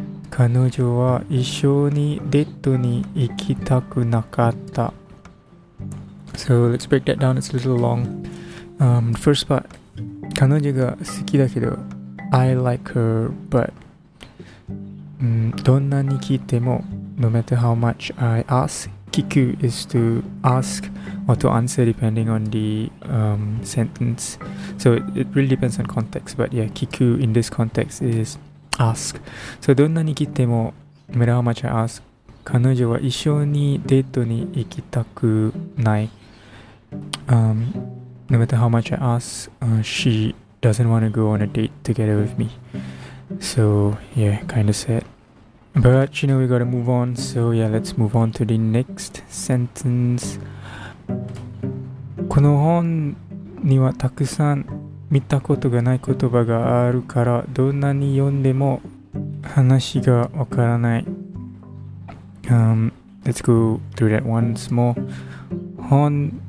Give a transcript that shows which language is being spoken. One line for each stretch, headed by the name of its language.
Japanese: 彼女は一緒にデートに行きたくなかった。
English: So let's break that down. It's a little long. First part.
Japanese: 彼女が好きだけど、
English: I like her, but
Japanese: どんなに聞いても、
English: no matter how much I ask, 聞く is to ask or to answer depending on the sentence. So it really depends on context, but yeah, 聞く in this context is ask. So
Japanese: どんなに聞いても、
English: no matter how much I ask,
Japanese: 彼女は一緒にデートに行きたくない。
English: No matter how much I ask, she doesn't want to go on a date together with me. So yeah, kind of sad. But you know, we gotta move on. So yeah, let's move on to the next sentence.
Japanese: この本にはたくさん見たことがない言葉があるから、どんなに読んでも話がわからない。
English: Let's go through that once more. 本